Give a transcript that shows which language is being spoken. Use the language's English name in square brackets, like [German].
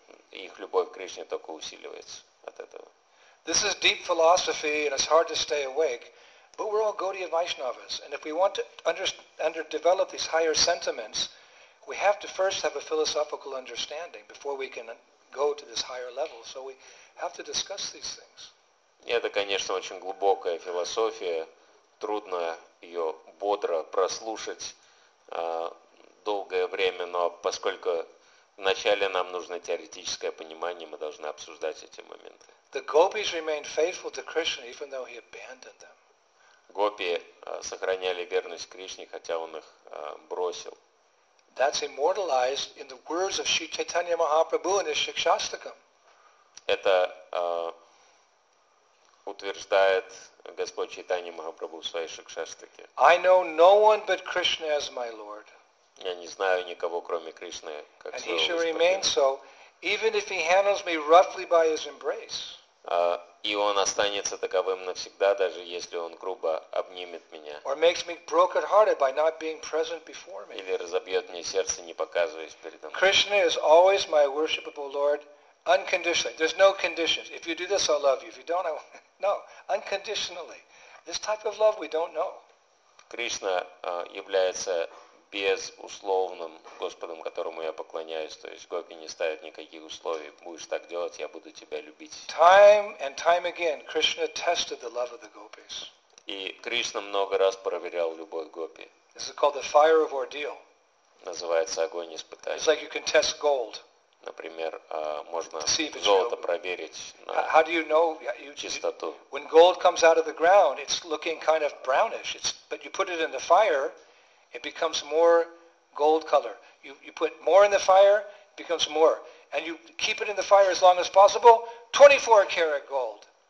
[Russian] Их любовь к Кришне только усиливается от этого. [English] This is deep philosophy, and it's hard to stay awake, but we're all Gaudiya Vaishnavas, and if we want to develop these higher sentiments, we have to first have a philosophical understanding before we can go to this higher level. So we have to discuss these things. [Russian] Это, конечно, очень глубокая философия. Трудно ее бодро прослушать долгое время, но поскольку вначале нам нужно теоретическое понимание, мы должны обсуждать эти моменты. [English] The gopis remained faithful to Krishna even though he abandoned them. [Russian] Гопи сохраняли верность Кришне, хотя он их бросил. [English] That's immortalized in the words of Sri Chaitanya Mahaprabhu in his Shikshastakam. [Russian] Это утверждает Господь Чайтанья Махапрабху в своей Шикшастаке. [English] I know no one but Krishna as my Lord. [Russian] Я не знаю никого, кроме Кришны, как своего Господа. [English] And he shall remain so, even if he handles me roughly by his embrace. [Russian] И он останется таковым навсегда, даже если он грубо обнимет меня. [English] Or makes me broken-hearted by not being present before me. [Russian] Или разобьет мне сердце, не показываясь передо мной. [English] Krishna is always my worshipable Lord, unconditionally. There's no conditions. If you do this, I'll love you. If you don't, I won't. No, unconditionally. This type of love we don't know. [Russian] Кришна является безусловным Господом, которому я поклоняюсь. То есть гопи не ставят никаких условий. Будешь так делать, я буду тебя любить. [English] Time and time again, Krishna tested the love of the gopis. [Russian] И Кришна много раз проверял любовь гопи. [English] This is called the fire of ordeal. [Russian] Называется огонь испытания. [English] It's like you can test gold. [Russian] Например, можно золото проверить на [English] how do you know [Russian] чистоту. [English] When gold comes out of the ground, it's looking kind of brownish. It's, but you put it in the fire, it becomes more gold color. You put more in the fire, it becomes more. And you keep it in the fire as long as possible, 24 karat gold.